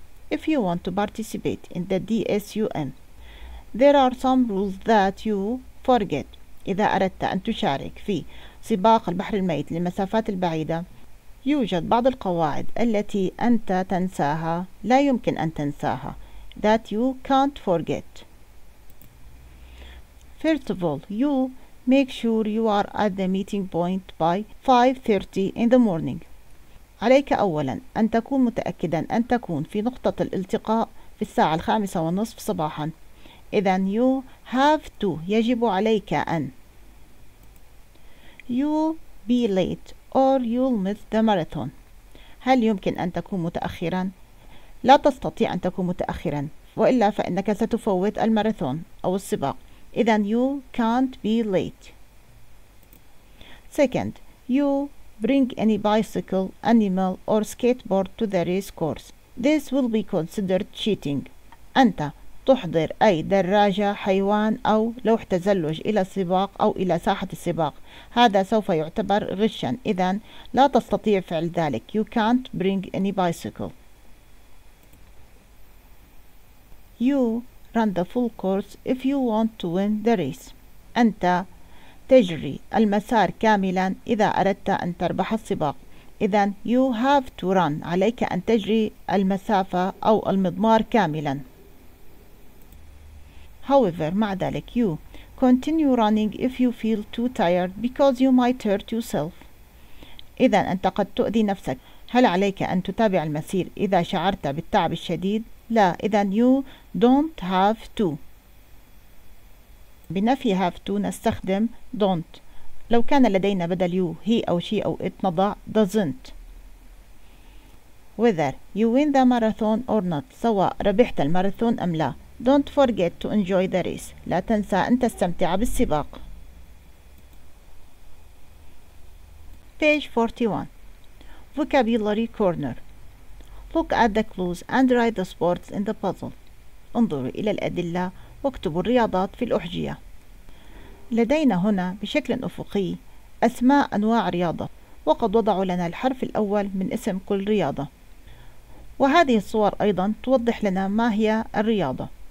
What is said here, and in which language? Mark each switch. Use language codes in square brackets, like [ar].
[en] If you want to participate in the DSUM, there are some rules that you forget. [ar] إذا أردت أن تشارك في سباق البحر الميت للمسافات البعيدة، يوجد بعض القواعد التي أنت تنساها، لا يمكن أن تنساها. [en] That you can't forget. First of all, you make sure you are at the meeting point by 5:30 in the morning. [ar] عليك أولا أن تكون متأكدا أن تكون في نقطة الالتقاء في الساعة 5:30 صباحا. إذا [en] you have to [ar] يجب عليك أن. [en] You be late or you'll miss the marathon. [ar] هل يمكن أن تكون متأخرا؟ لا تستطيع أن تكون متأخرا وإلا فإنك ستفوت الماراثون أو السباق. [en] إذا you can't be late. Second, you bring any bicycle, animal or skateboard to the race course. This will be considered cheating. [ar] أنت تحضر أي دراجة، حيوان أو لوح تزلج إلى السباق أو إلى ساحة السباق. هذا سوف يعتبر غشا. إذا لا تستطيع فعل ذلك. [en] You can't bring any bicycle. You run the full course if you want to win the race. [ar] أنت تجري المسار كاملا إذا أردت أن تربح السباق. [en] إذا you have to run. [ar] عليك أن تجري المسافة أو المضمار كاملا. [en] However, [ar] مع ذلك [en] you continue running if you feel too tired because you might hurt yourself. [ar] إذا أنت قد تؤذي نفسك. هل عليك أن تتابع المسير إذا شعرت بالتعب الشديد؟ لا. [en] إذا you don't have to. بنفي have to نستخدم don't. [ar] لو كان لدينا بدل you he أو she أو it نضع doesn't. [en] Whether you win the marathon or not, [ar] سواء ربحت الماراثون أم لا, [en] don't forget to enjoy the race. [ar] لا تنسى أن تستمتع بالسباق. [en] Page 41. Vocabulary Corner. Look at the clues and write the sports in the puzzle. [ar] انظر إلى الأدلة واكتب الرياضات في الأحجية. لدينا هنا بشكل أفقي أسماء أنواع رياضة وقد وضعوا لنا الحرف الأول من اسم كل رياضة. وهذه الصور أيضا توضح لنا ما هي الرياضة.